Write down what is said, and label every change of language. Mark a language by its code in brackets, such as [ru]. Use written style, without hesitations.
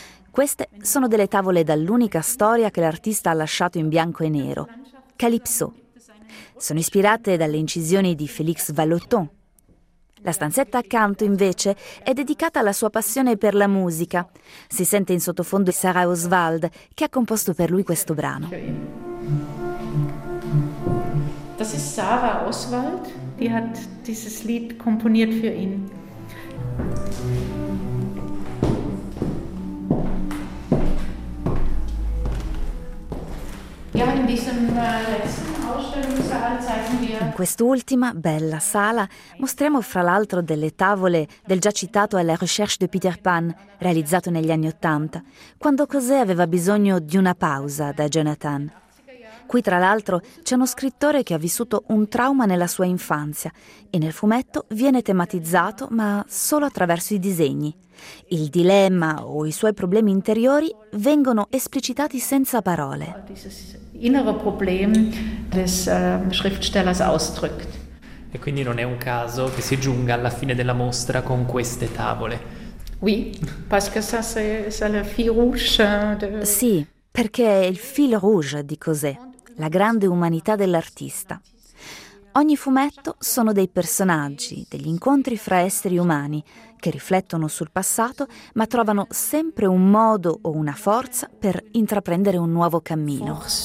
[it] Queste sono delle tavole dall'unica storia che l'artista ha lasciato in bianco e nero, Calypso. Sono ispirate dalle incisioni di Félix Vallotton. La stanzetta accanto, invece, è dedicata alla sua passione per la musica. Si sente in sottofondo Sarah Oswald, che ha composto per lui questo brano. [de] Das ist Sarah Oswald, die hat dieses Lied komponiert für ihn. [it] In quest'ultima, bella sala, mostriamo fra l'altro delle tavole del già citato La Recherche de Peter Pan, realizzato negli anni Ottanta, quando Cosè aveva bisogno di una pausa da Jonathan. Qui tra l'altro c'è uno scrittore che ha vissuto un trauma nella sua infanzia e nel fumetto viene tematizzato, ma solo attraverso i disegni. Il dilemma o i suoi problemi interiori vengono esplicitati senza parole. [de] Innere Problem des Schriftstellers ausdrückt. [it] E quindi non è un caso che si giunga alla fine della mostra con queste tavole. [fr] Oui, parce que ça c'est le fil rouge de... [it] Sì, perché è il fil rouge di Cosè, la grande umanità dell'artista. Ogni fumetto sono dei personaggi, degli incontri fra esseri umani che riflettono sul passato, ma trovano sempre un modo o una forza per intraprendere un nuovo cammino.